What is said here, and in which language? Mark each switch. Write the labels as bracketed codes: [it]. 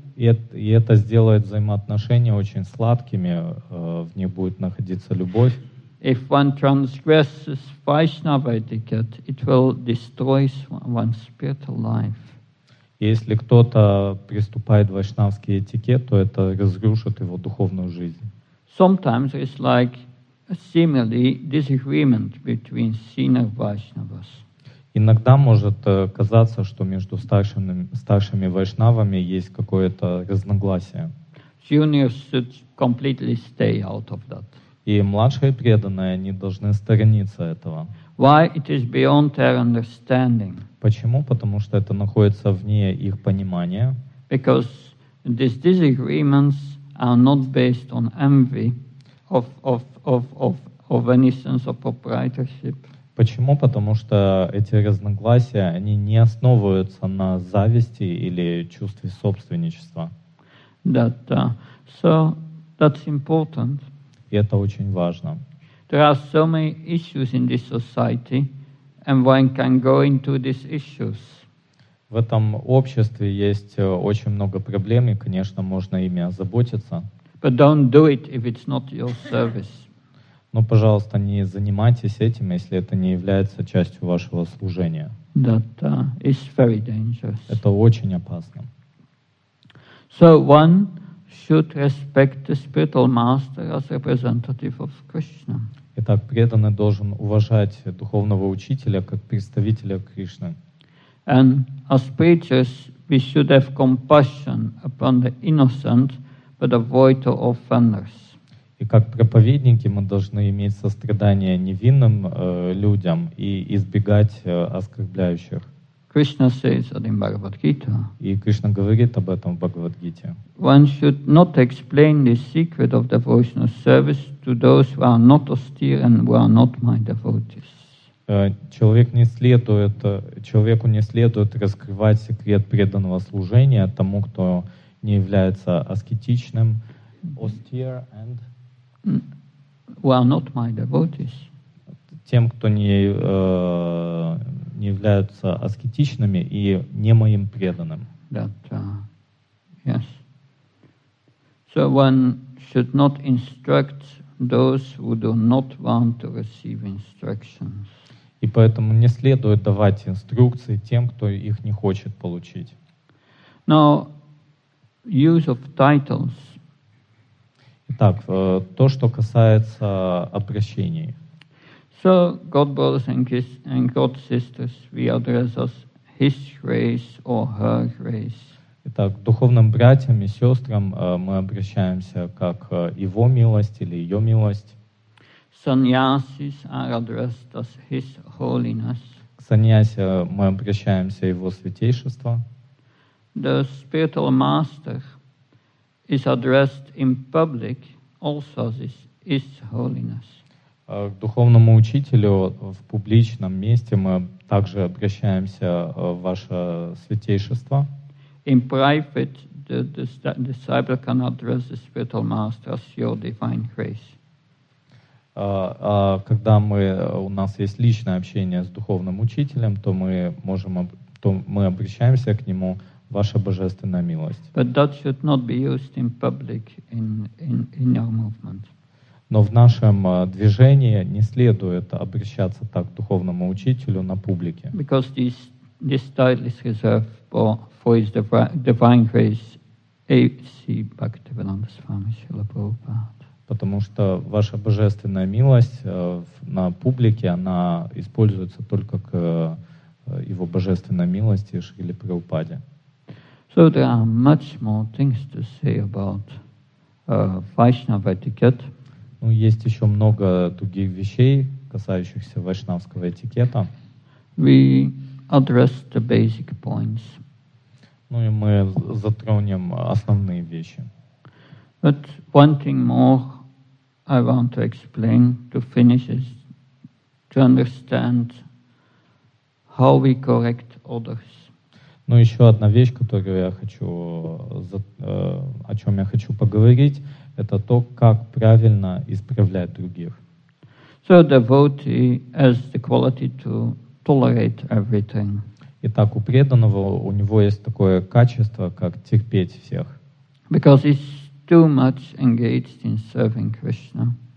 [ru] И это сделает взаимоотношения очень сладкими, в них будет находиться любовь. [en] If one transgresses Vaishnava etiquette, it will destroy one's spiritual life. [ru] Если кто-то приступает в вайшнавский этикет, то это разрушит его духовную жизнь. [en] Sometimes it's like a seemingly disagreement between senior Vaishnavas. [ru] Иногда может казаться, что между старшими вайшнавами есть какое-то разногласие. [en] Juniors should completely stay out of that. [ru] И младшие преданные, они должны сторониться этого. [en] Why it is beyond their understanding? [ru] Почему? Потому что это находится вне их понимания. [en] Because these disagreements are not based on envy of any sense of proprietorship. [ru] Почему? Потому что эти разногласия, они не основываются на зависти или чувстве собственничества. [en] That's important. [ru] И это очень важно. [en] There are so many issues in this society, and one can go into these issues. [ru] В этом обществе есть очень много проблем, и, конечно, можно ими озаботиться. [en] But don't do it if it's not your service. [ru] Но, пожалуйста, не занимайтесь этим, если это не является частью вашего служения. [en] That is very dangerous. [ru] Это очень опасно. [en] So one should respect the spiritual master as representative of Krishna. [ru] Итак, преданный должен уважать духовного учителя как представителя Кришны. [en] And as preachers, we should have compassion upon the innocent, but avoid the offenders. [ru] И как проповедники мы должны иметь сострадание невинным людям и избегать оскорбляющих. [en] Krishna says that in Bhagavad Gita. [ru] И Кришна говорит об этом в Бхагавад-гите. [en] One should not explain the secret of devotional service to those who are not austere and who are not my devotees. [ru] Человеку не следует раскрывать секрет преданного служения тому, кто не является аскетичным, [en] austere and who are not my devotees. [ru] Тем, кто не являются аскетичными и не моим преданным. [en] Yes. So one should not instruct those who do not want to receive instructions. [ru] И поэтому не следует давать инструкции тем, кто их не хочет получить. [en] Now, use of titles. [ru] Итак, то, что касается обращений. [en] So, God brothers and God sisters, we address as His grace or Her grace. [ru] Итак, духовным братьям и сестрам мы обращаемся как Его милость или Ее милость. [en] Sannyasis are addressed as His holiness. [ru] К саньясе мы обращаемся Его святейшество. [en] The spiritual master is addressed in public also as His holiness. [ru] К духовному учителю в публичном месте мы также обращаемся, ваше святейшество. [en] In private, the disciple can address the spiritual master as your divine grace. [ru] Когда у нас есть личное общение с духовным учителем, то мы обращаемся к нему, ваша божественная милость. [en] But that should not be used in public in our movement. [ru] Но в нашем движении не следует обращаться так к духовному учителю на публике. [en] Because this title is reserved for His Divine Grace A.C. Bhaktivedanta Swami Srila Prabhupada. [ru] Потому что ваша божественная милость на публике, она используется только к его божественной милости Шриле Прабхупаде. [en] So there are much more things to say about Vaishnava etiquette. [ru] Ну, есть еще много других вещей, касающихся вайшнавского этикета. [en] We address the basic points. [ru] Ну и мы затронем основные вещи. [en] But one thing more I want to explain to finish is to understand how we correct others. [ru] Ну еще одна вещь, которую я хочу, о чем я хочу поговорить. Это то, как правильно исправлять других. [en] So devotee has the quality to tolerate everything. [ru] Итак, у преданного у него есть такое качество, как терпеть всех. [en] Because he's too much engaged in serving Krishna.